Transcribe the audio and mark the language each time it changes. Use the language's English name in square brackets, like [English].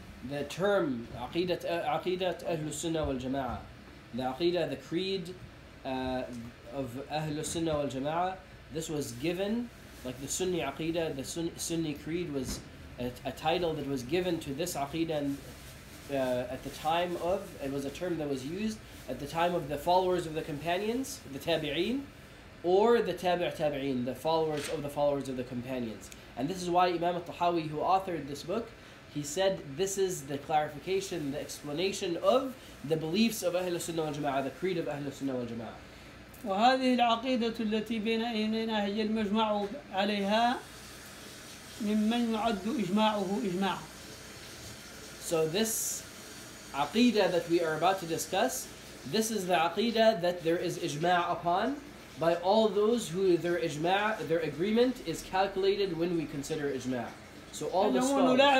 [English] The term عقيدة أهل السنة والجماعة. The عقيدة, the creed of أهل السنة والجماعة. This was given, like the Sunni عقيدة, the Sunni creed was a title that was given to this عقيدة at the time of, it was a term that was used at the time of the followers of the companions, the tabi'een, or the tabi' tabi'een, the followers of the companions. And this is why Imam al-Tahawi, who authored this book, he said this is the clarification, the explanation of the beliefs of Ahl al-Sunnah wal-Jama'ah, the creed of Ahl al-Sunnah wal-Jama'ah. [Arabic] وهذه العقيدة التي بين أيدينا هي المجمع عليها ممن يعد إجماعه إجماع. [English] So this aqidah that we are about to discuss, this is the aqidah that there is ijma' upon by all those who their ijma', their agreement is calculated when we consider ijma'. So all the scholars.